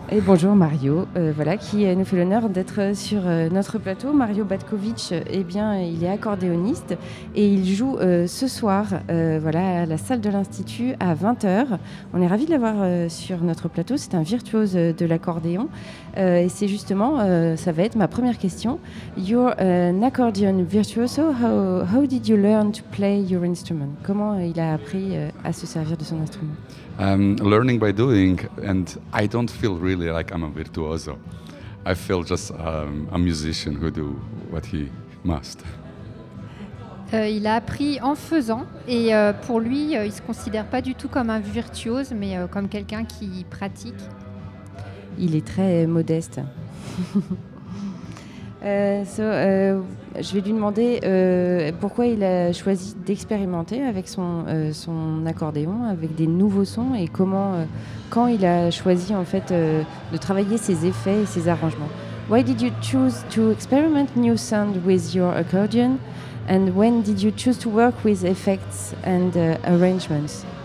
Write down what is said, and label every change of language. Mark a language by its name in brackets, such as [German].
[French] Et bonjour Mario, voilà, qui nous fait l'honneur d'être sur notre plateau. Mario Batkovic, eh bien, il est accordéoniste et il joue ce soir voilà, à la salle de l'Institut à 20h. On est ravis de l'avoir sur notre plateau, c'est un virtuose de l'accordéon. Et c'est justement, ça va être ma première question. [English] You're an accordion virtuoso, how did you learn to play your instrument? [French] Comment il a appris à se servir de son instrument? [English] Learning by doing, and I don't feel really like I'm a virtuoso. I feel just a musician who do what he must. [French] Il a appris en faisant, et pour lui, il se considère pas du tout comme un virtuose, mais comme quelqu'un qui pratique. Il est très modeste. je vais lui demander pourquoi il a choisi d'expérimenter avec son accordéon, avec des nouveaux sons, et comment, quand il a choisi en fait de travailler ses effets et ses arrangements. [English] Why did you choose to experiment new sound with your accordion, and when did you choose to work with effects and arrangements?